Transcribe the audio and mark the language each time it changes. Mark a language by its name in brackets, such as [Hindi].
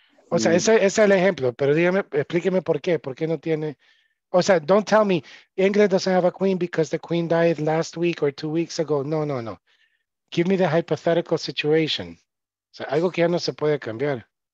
[Spanish] O sea, ese es el ejemplo, pero dígame, explíqueme por qué. ¿Por qué no tiene? O sea, [English] don't tell me England doesn't have a queen because the queen died last week or 2 weeks ago. No, no, no. Give me the hypothetical situation. [Spanish] O sea, algo que ya no se puede cambiar.